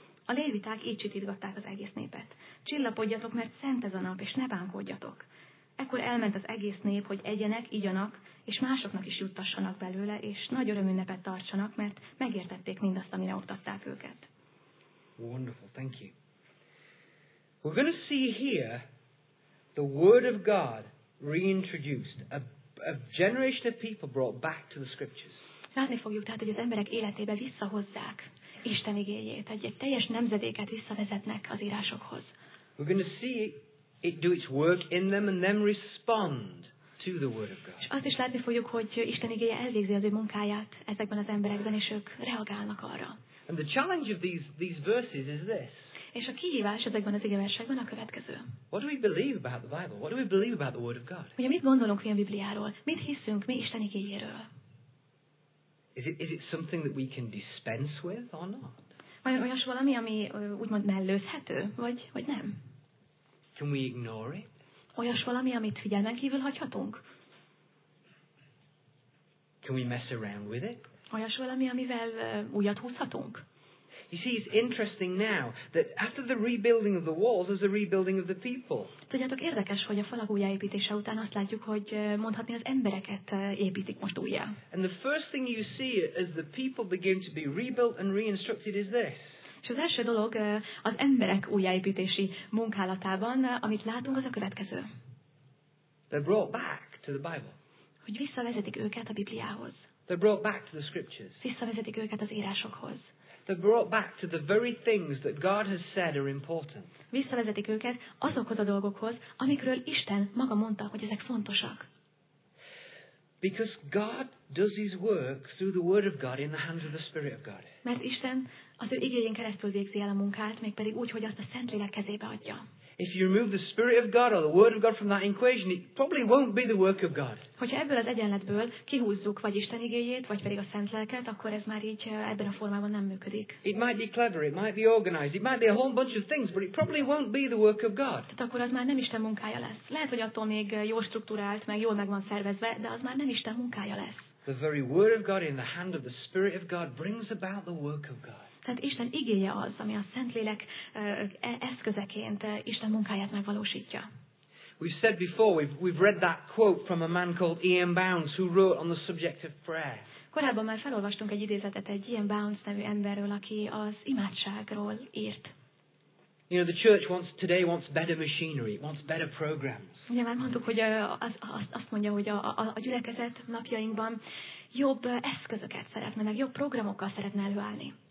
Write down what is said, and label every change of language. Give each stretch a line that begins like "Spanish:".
Hungarian: A léviták így csitítgatták az egész népet. Csillapodjatok, mert szent ez a nap, és ne bánkódjatok. Ekkor elment az egész nép, hogy egyenek, igyanak, és másoknak is juttassanak belőle, és nagy örömünnepet tartsanak, mert megértették mindazt, amire oktatták őket.
English: Wonderful, thank you. We're going to see here the word of God reintroduced, a generation of people brought back to the scriptures.
Hungarian: Látni fogjuk tehát, hogy az emberek életébe visszahozzák Isten igényét, egy teljes nemzedéket visszavezetnek az írásokhoz.
English: We're going to see it do its work in them and them respond to the word of God.
Hungarian: És azt is látni fogjuk, hogy Isten igéje elvégzi az ő munkáját ezekben az emberekben, és ők reagálnak arra.
English: And the challenge of these verses is this.
Hungarian: És a kihívás ezekben az igeversekben a következő.
English: What do we believe about the Bible? What do we believe about the word of God?
Hungarian: Ugye mit gondolunk mi a Bibliáról? Mit hiszünk mi Isten igényéről?
English: Is it something that we can dispense with or not?
Hungarian: Vajon olyas valami, ami úgymond mellőzhető, vagy nem?
English: Can we ignore it?
Hungarian: Olyas valami, amit figyelmen kívül hagyhatunk?
English: Can we mess around with it?
Hungarian: Olyas valami, amivel újat húzhatunk?
English: You see, it's interesting now that after the rebuilding of the walls, there's a rebuilding of the people.
Hungarian: Tudjátok, érdekes, hogy a falak újjáépítése után azt látjuk, hogy mondhatni az embereket építik most újjá.
English: And the first thing you see as the people begin to be rebuilt and reinstructed is this.
Hungarian: És az első dolog az emberek újjáépítési munkálatában, amit látunk, az a következő.
English: They're brought back to the Bible.
Hungarian: Hogy visszavezetik őket a Bibliához.
English: They're brought back to the scriptures.
Hungarian: Visszavezetik őket az írásokhoz.
English: They're brought back to the very things that God has said are important.
Hungarian: Visszavezetik őket azokhoz a dolgokhoz, amikről Isten maga mondta, hogy ezek fontosak.
English: Because God does his work through the word of God in the hands of the Spirit of God.
Hungarian: Mert Isten az ő igényén keresztül végzi el a munkát, mégpedig úgy, hogy azt a Szentlélek kezébe adja.
English: If you remove the Spirit of God or the word of God from that equation, it probably won't be the work of God.
Hungarian: Hogyha ebből az egyenletből kihúzzuk vagy Isten igéjét, vagy pedig a Szentlélket, akkor ez már így ebben a formában nem működik.
English: It might be clever, it might be organized, it might be a whole bunch of things, but it probably won't be the work of God.
Hungarian: Tehát akkor az már nem Isten munkája lesz. Lehet, hogy attól még jól struktúrált, meg jól meg van szervezve, de az már nem Isten munkája lesz.
English: The very word of God in the hand of the Spirit of God brings about the work of God.
Hungarian: Tehát Isten igéje az, ami a Szentlélek eszközeként Isten munkáját megvalósítja.
English: We've said before, we've read that quote from a man called E.M. Bounds who wrote on the subject of prayer.
Hungarian: Korábban már felolvastunk egy idézetet egy E.M. Bounds nevű emberről, aki az imádságról írt.
English: You know, the church wants today wants better machinery, wants better programs.
Hungarian: Ugye már mondtuk, hogy azt mondja, hogy a gyülekezet napjainkban jobb eszközöket szeretne, meg jobb programokkal szeretne előállni.